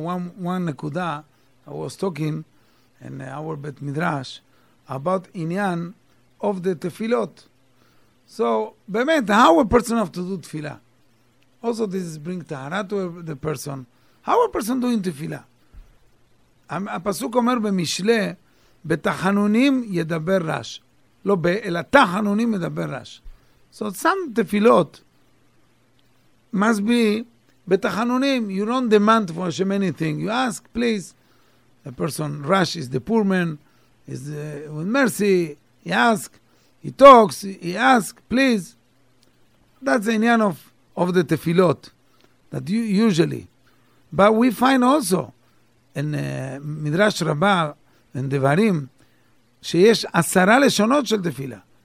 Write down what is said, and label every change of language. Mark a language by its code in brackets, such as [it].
[en] One nekuda, I was talking in our Bet Midrash about inyan of the tefilot. So, באמת, how a person have to do tefila? Also, this is bring tahara to the person. How a person doing tefila? [he] הפסוק אומר במשלה, בתחנונים ידבר רש. לא, אלא תחנונים ידבר רש. [en] So, some tefilot must be [he] בתחנונים. [en] You don't demand for Hashem anything. You ask, please. The person, rush is the poor man, is with mercy. He asks. He talks, he asks, please. That's the inyan of the tefillot, that you usually. But we find also in Midrash Rabbah, in Devarim, [he] שיש עשרה לשונות של תפילה.